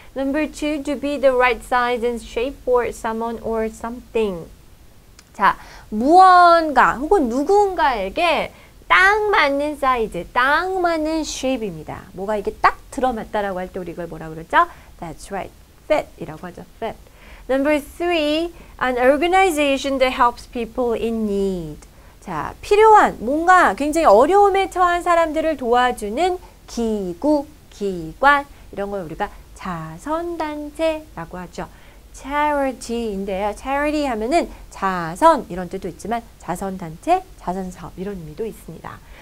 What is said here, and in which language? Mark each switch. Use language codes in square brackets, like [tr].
[en] Number two, to be the right size and shape for someone or something. [ko] 자, 무언가 혹은 누군가에게 딱 맞는 사이즈, 딱 맞는 쉐입입니다. 뭐가 이게 딱 들어맞다라고 할때 우리 이걸 뭐라고 그러죠? [en] That's right. [ko] Fit이라고 하죠. Fit. [en] Number three, an organization that helps people in need. [ko] 자, 필요한, 뭔가 굉장히 어려움에 처한 사람들을 도와주는 기구, 기관, 이런 걸 우리가 자선단체라고 하죠. Charity인데요. Charity 하면은 자선 이런 뜻도 있지만 자선단체, 자선사업 이런 의미도 있습니다.